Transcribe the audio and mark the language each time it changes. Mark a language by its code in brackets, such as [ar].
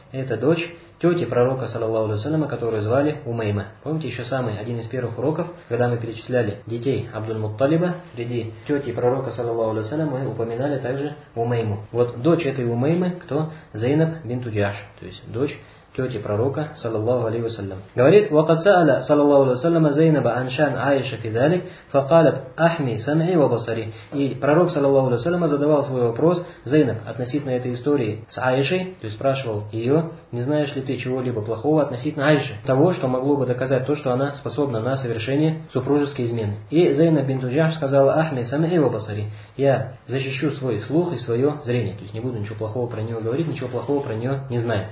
[ru] Это дочь тети пророка, саллаллаху алейхи ва саллям, которую звали Умейма. Помните, еще самый один из первых уроков, когда мы перечисляли детей Абдул-Мутталиба, среди тети пророка, саллаллаху алейхи ва саллям, мы упоминали также Умейму. Вот дочь этой Умеймы, кто? Зейнаб бинт Джаш, то есть дочь тети пророка, саллаллаху алейхи ва саллям. Говорит, [ar] وقد سأل صلى الله عليه وسلم زينب عن شأن عائشة في ذلك فقالت أحمي سمعي وبصري. [ru] И пророк, саллаллаху алейхи ва саллям, задавал свой вопрос Зейнаб относительно этой истории с Аишей, то есть спрашивал ее, не знаешь ли ты чего-либо плохого относительно Аиши, того, что могло бы доказать то, что она способна на совершение супружеской измены. И Зейнаб бинт Джаш сказала: [ar] Ахми самии вабасари, [ru] я защищу свой слух и свое зрение, то есть не буду ничего плохого про нее говорить, ничего плохого про нее не знаю.